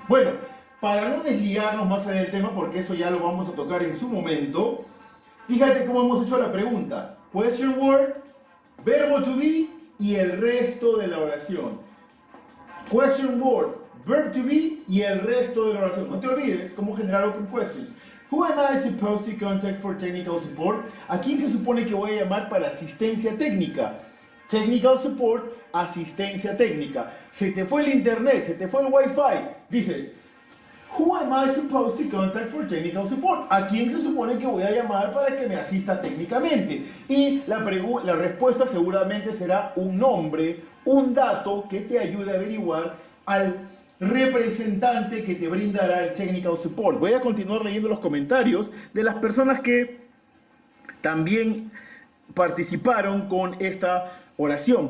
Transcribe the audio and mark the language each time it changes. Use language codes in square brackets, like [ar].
[es] Bueno, para no desligarnos más allá del tema, porque eso ya lo vamos a tocar en su momento, fíjate cómo hemos hecho la pregunta. Question word, verbo to be y el resto de la oración. Question word, verb to be y el resto de la oración. No te olvides cómo generar open questions. [en] Who am I supposed to contact for technical support? [es] ¿A quién se supone que voy a llamar para asistencia técnica? Technical support, asistencia técnica. Se te fue el internet, se te fue el wifi. Dices, [en] who am I supposed to contact for technical support? [es] ¿A quién se supone que voy a llamar para que me asista técnicamente? Y la respuesta seguramente será un nombre, un dato que te ayude a averiguar al representante que te brindará el technical support. Voy a continuar leyendo los comentarios de las personas que también participaron con esta oración.